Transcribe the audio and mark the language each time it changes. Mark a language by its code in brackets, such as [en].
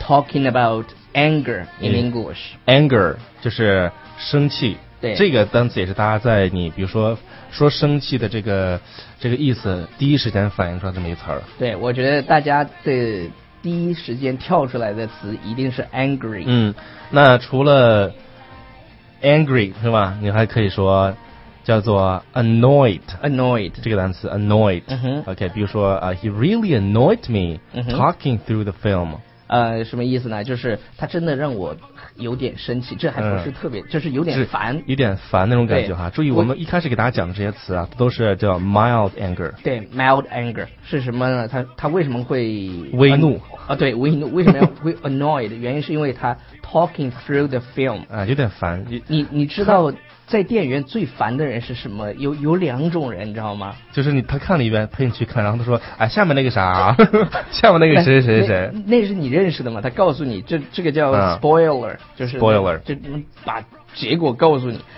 [en] Talking about anger in English。 [zh] Anger 就是生气。对，这个单词也是大家在你比如说说生气的这个意思第一时间反映出来这么一词儿。对，我觉得大家的第一时间跳出来的词一定是 angry。嗯，那除了 angry 是吧，你还可以说叫做 annoyed 这个单词 annoyed、OK， 比如说、 [en] he really annoyed me talking through the film。 [zh] 什么意思呢？就是他真的让我有点生气，这还不是特别、就是有点烦，有点烦那种感觉哈。注意我们一开始给大家讲的这些词啊都是叫 mild anger。对， mild anger 是什么呢？他为什么会微怒啊？对，微怒。为什么会 annoyed？原因是因为他 [en] talking through the film [zh] 啊，有点烦。你知道在电影院最烦的人是什么？有两种人，你知道吗？就是你他看了一遍陪你去看，然后他说哎下面那个啥下面那个谁谁谁那是你认识的吗？他告诉你这个叫 spoiler、就是 spoiler，就把结果告诉你。